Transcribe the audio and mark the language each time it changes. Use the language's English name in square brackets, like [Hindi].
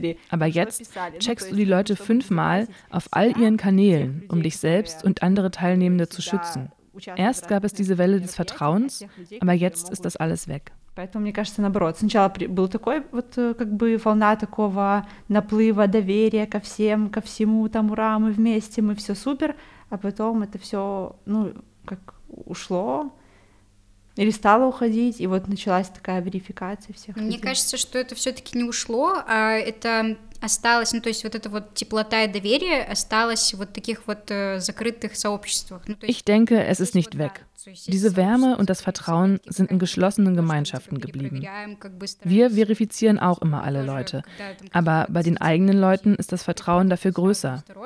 [German] Aber jetzt checkst du die Leute 5-mal auf all ihren Kanälen, um dich selbst und andere Teilnehmende zu schützen. Erst gab es diese Welle des Vertrauens, aber jetzt ist das alles weg. [Russian] Поэтому мне кажется, наоборот, сначала был такой вот как бы волна такого наплыва доверия ко всем, ко всему, там ура, мы вместе, мы все супер, а потом это все, ну, как ушло или стало уходить, и вот началась такая верификация всех. Мне кажется, что это все-таки не ушло, а это осталось, ну то есть вот это вот теплота и доверие осталось вот таких вот закрытых сообществах. [German] Ich denke, es ist nicht weg. Diese Wärme und das Vertrauen sind in geschlossenen Gemeinschaften geblieben. Wir verifizieren auch immer alle Leute, aber bei den eigenen Leuten ist das Vertrauen dafür größer.